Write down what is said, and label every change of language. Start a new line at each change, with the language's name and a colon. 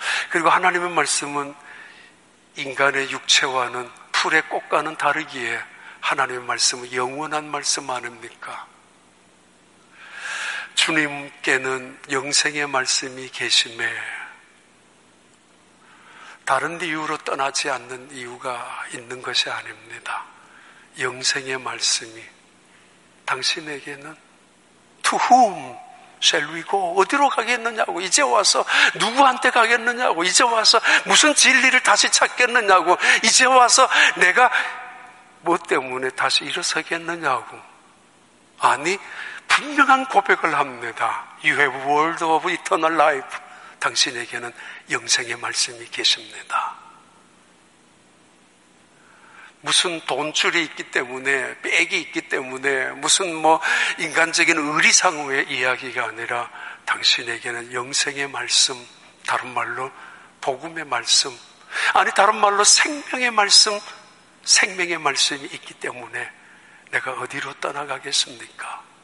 Korean: 그리고 하나님의 말씀은 인간의 육체와는 풀의 꽃과는 다르기에 하나님의 말씀은 영원한 말씀 아닙니까? 주님께는 영생의 말씀이 계심에 다른 이유로 떠나지 않는 이유가 있는 것이 아닙니다. 영생의 말씀이 당신에게는
English: To whom shall we go?
Korean: 어디로 가겠느냐고. 이제 와서 누구한테 가겠느냐고. 이제 와서 무슨 진리를 다시 찾겠느냐고. 이제 와서 내가 뭐 때문에 다시 일어서겠느냐고. 아니, 분명한 고백을 합니다.
English: You have world of eternal life.
Korean: 당신에게는 영생의 말씀이 계십니다. 무슨 돈줄이 있기 때문에, 빽이 있기 때문에, 무슨 뭐 인간적인 의리상의 이야기가 아니라 당신에게는 영생의 말씀, 다른 말로 복음의 말씀, 아니 다른 말로 생명의 말씀, 생명의 말씀이 있기 때문에 내가 어디로 떠나가겠습니까?